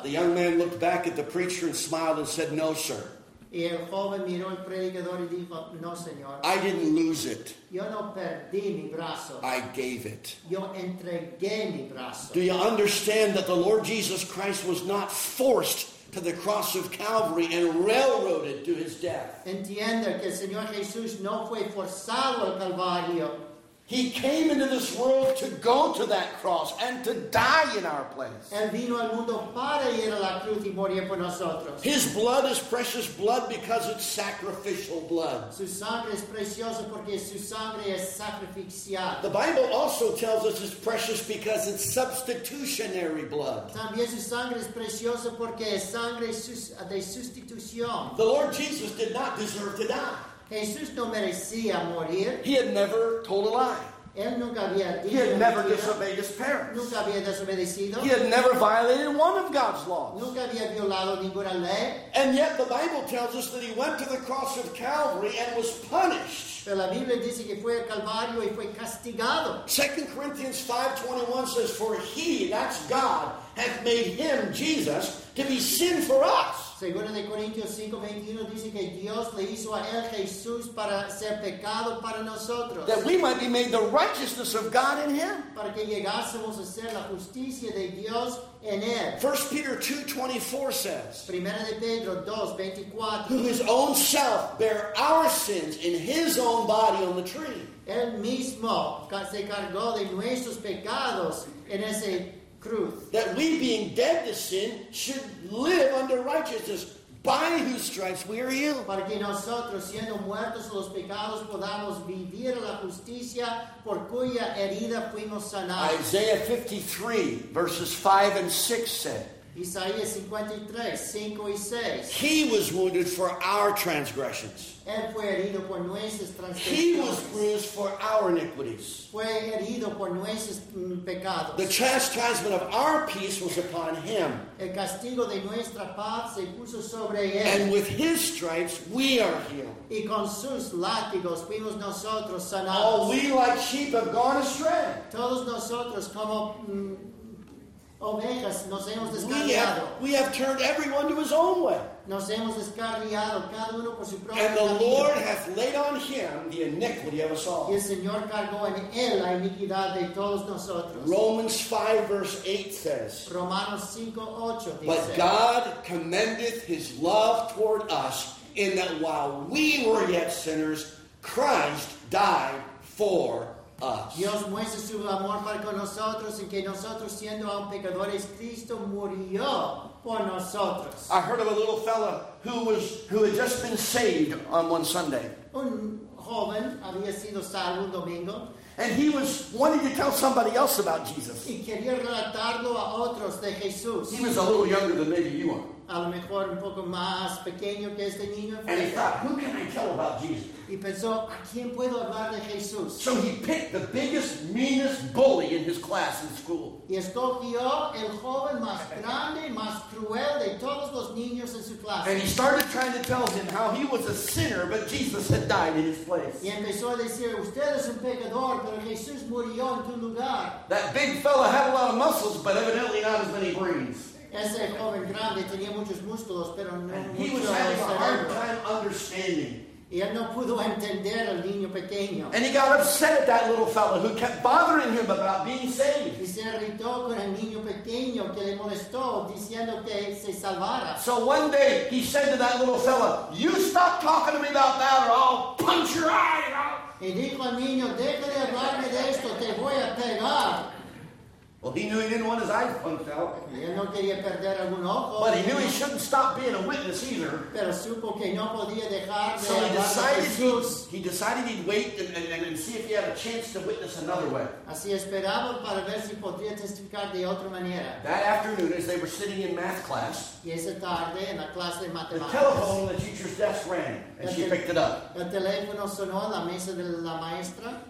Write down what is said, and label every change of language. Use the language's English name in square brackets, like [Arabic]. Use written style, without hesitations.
[English] The young man looked back at the preacher and smiled and said, no, sir. [Spanish] Y el joven miró al predicador y dijo, no, señor. [English] I didn't lose it. [Spanish] Yo no perdí mi brazo. [English] I gave it. [Spanish] Yo entregué mi brazo. [English] Do you understand that the Lord Jesus Christ was not forced to the cross of Calvary and railroaded to his death? [Spanish] Entiende que el Señor Jesús no fue forzado al Calvario. [English] He came into this world to go to that cross and to die in our place. [Spanish] Él vino al mundo para ir a la cruz y morir por nosotros. [English] His blood is precious blood because it's sacrificial blood. [Spanish] Su sangre es preciosa porque su sangre es sacrificial. [English] The Bible also tells us it's precious because it's substitutionary blood. [Spanish] También su sangre es preciosa porque es sangre de sustitución. [English] The Lord Jesus did not deserve to die. [Spanish] Jesús no merecía morir. [English] He had never told a lie. [Spanish] Él nunca había dicho. [English] He had never disobeyed his parents. [Spanish] Nunca había desobedecido. [English] He had never violated one of God's laws. [Spanish] Nunca había violado ninguna ley. [English] And yet the Bible tells us that he went to the cross of Calvary and was punished. [Spanish] Pero la Biblia dice que fue al Calvario y fue castigado. [English] 2 Corinthians 5:21 says, for he, that's God, hath made him, Jesus, to be sin for us. [Spanish] Segunda de Corintios 5:21 dice que Dios le hizo a él Jesús para ser pecado para nosotros. [English] That we might be made the righteousness of God in him. [Spanish] Para que llegásemos a ser la justicia de Dios en él. [English] 1 Peter 2:24 says. [Spanish] Primera de Pedro 2:24. [English] Who his own self bare our sins in his own body on the tree. [Spanish] Él mismo se cargó de nuestros pecados en ese cruz. [English] That we being dead to sin should live under righteousness, by whose stripes we are healed. [Spanish] Para que nosotros siendo muertos los pecados podamos vivir la justicia por cuya herida fuimos sanados. [English] Isaiah 53 verses 5 and 6 said. [Spanish] Isaías 53, 5 y 6. [English] He was wounded for our transgressions. [Spanish] Él fue herido por nuestras transgresiones. [English] He was bruised for our iniquities. [Spanish] Fue herido por nuestros pecados. [English] The chastisement of our peace was upon him. [Spanish] El castigo de nuestra paz se puso sobre él. [English] And with his stripes we are healed. [Spanish] Y con sus látigos fuimos nosotros sanados. [English] All we like sheep have gone astray. [Spanish] Todos nosotros como ovejas, nos hemos descarriado. [English] We have turned everyone to his own way. [Spanish] Nos hemos descarriado, cada uno por su propio camino. [English] And the Lord hath laid on him the iniquity of us all. [Spanish] Y el Señor cargó en él la iniquidad de todos nosotros. [English] Romans 5 verse 8 says. [Spanish] Romanos 5, 8 dice. [English] But God commendeth his love toward us in that while we were yet sinners, Christ died for us. [Spanish] Dios muestra su amor para con nosotros en que nosotros siendo aún pecadores, Cristo murió por nosotros. [English] I heard of a little fella who had just been saved on one Sunday. [Spanish] Un joven había sido salvo un domingo. [English] And he was wanting to tell somebody else about Jesus. [Spanish] Y quería relatarlo a otros de Jesús. [English] He was a little younger than maybe you are. [Spanish] A lo mejor un poco más pequeño que este niño. [English] And he thought, who can I tell about Jesus? [Spanish] Y pensó, ¿a quién puedo hablar de Jesús? [English] So he picked the biggest, meanest bully in his class in school. [Spanish] Y escogió el joven más grande, más cruel de todos los niños en su clase. [English] And he started trying to tell him how he was a sinner, but Jesus had died in his place. [Spanish] Y empezó a decir, usted es un pecador, pero Jesús murió en tu lugar. [English] That big fella had a lot of muscles, but evidently not as many brains. [Spanish] Ese joven grande tenía muchos músculos, pero no muchos cerebros. [English] And he was having a hard time understanding. [Spanish] Y él no pudo entender al niño pequeño. [English] And he got upset at that little fellow who kept bothering him about being saved. [Spanish] Y se irritó con el niño pequeño que le molestó diciendo que se salvara. [English] So one day he said to that little fellow, you stop talking to me about that or I'll punch your eye out. [Spanish] Y dijo al niño, deja de hablarme de esto, te voy a pegar. [English] Well, he knew he didn't want his eyes punched out. [Spanish] Él no quería perder algún ojo. [English] But he knew he shouldn't stop being a witness either. [Spanish] Pero supo que no podía dejar de [English] so he decided he'd wait and see if he had a chance to witness another way. [Spanish] Así esperaba para ver si podría testificar de otra manera. [English] That afternoon, as they were sitting in math class, [Spanish] y esa tarde, en la clase de matemáticas, [English] the telephone on the teacher's desk rang, and she picked it up. [Spanish] El teléfono sonó en la mesa de la maestra.